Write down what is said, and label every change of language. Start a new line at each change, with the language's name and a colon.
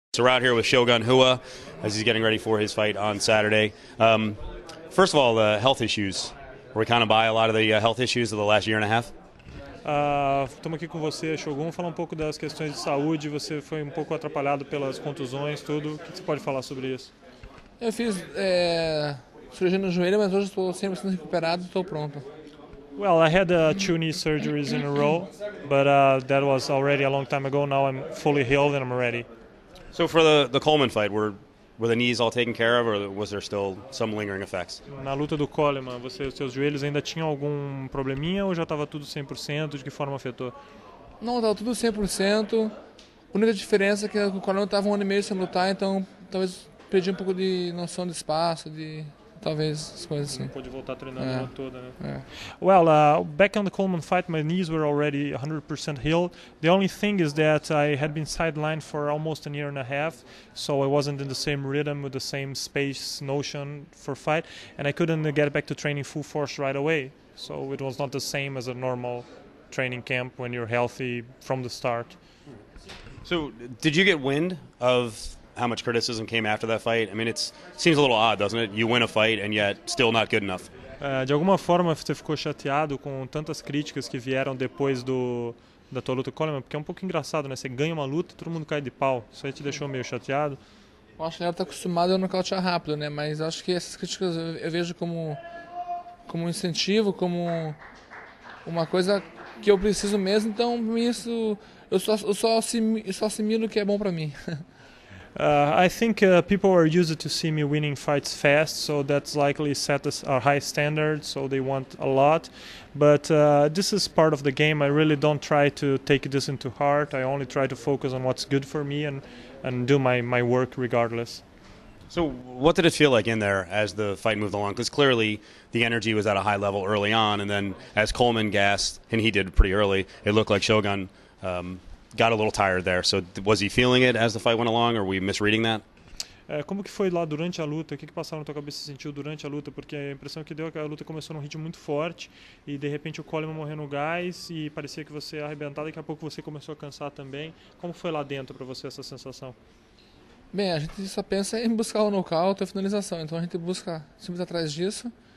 English: So we're out here with Shogun Rua as he's getting ready for his fight on Saturday. First of all, the health issues. Were we kind of by a lot of the health issues of the last year and a half?
Portuguese: Estamos aqui com você, Shogun. Fala um pouco das questões de saúde. Você foi um pouco atrapalhado pelas contusões, tudo. O que você pode falar sobre isso? Eu fiz cirurgia no joelho, mas hoje estou 100% recuperado e estou pronto.
English: Well, I had two knee surgeries in a row, but that was already a long time ago. Now I'm fully healed and I'm ready. So for the Coleman fight, were the knees all taken care of, or was there still some lingering effects?
Portuguese: Na luta do Coleman, você, os seus joelhos ainda tinham algum probleminha ou já estava tudo 100%? De que forma afetou? Não, estava tudo 100%. A única diferença é que o Coleman estava um ano e meio sem lutar, então talvez perdi um pouco de noção de espaço, de... talvez as coisas assim. Não pôde voltar treinando a vida toda, né?
English: Yeah. Well, back on the Coleman fight, my knees were already 100% healed. The only thing is that I had been sidelined for almost a year and a half, so I wasn't in the same rhythm with the same space notion for fight, and I couldn't get back to training full force right away. So it was not the same as a normal training camp when you're healthy from the start. So did you get wind of how much criticism came after that fight? I mean, it seems a little odd, doesn't it? You win a fight and yet still not good enough.
Portuguese: De alguma forma você ficou chateado com tantas críticas que vieram depois da tua luta com Coleman, porque é um pouco engraçado, né? Você ganha uma luta e todo mundo cai de pau. Isso aí te deixou meio chateado? Eu acho que ele tá acostumado a nocautear rápido, né? Mas acho que essas críticas eu vejo como um incentivo, como uma coisa que eu preciso mesmo. Então, isso eu só assimilo que é bom para mim.
English: I think people are used to see me winning fights fast, so that's likely set a high standard, so they want a lot. But this is part of the game. I really don't try to take this into heart. I only try to focus on what's good for me and do my work regardless. So what did it feel like in there as the fight moved along? Because clearly the energy was at a high level early on, and then as Coleman gassed, and he did pretty early, it looked like Shogun... got a little tired there. So was he feeling it as the fight went along, or were we misreading that?
Portuguese: Como que foi lá durante a luta? O que passou na tua cabeça, sentiu durante a luta? Porque a impressão que deu é que a luta começou num ritmo muito forte e de repente o Coleman morreu no gás e parecia que você arrebentado e daqui a pouco você começou a cansar também. Como foi lá dentro para você essa sensação? Bem, a gente só pensa em buscar o nocaute, a finalização. Então a gente busca sempre atrás disso.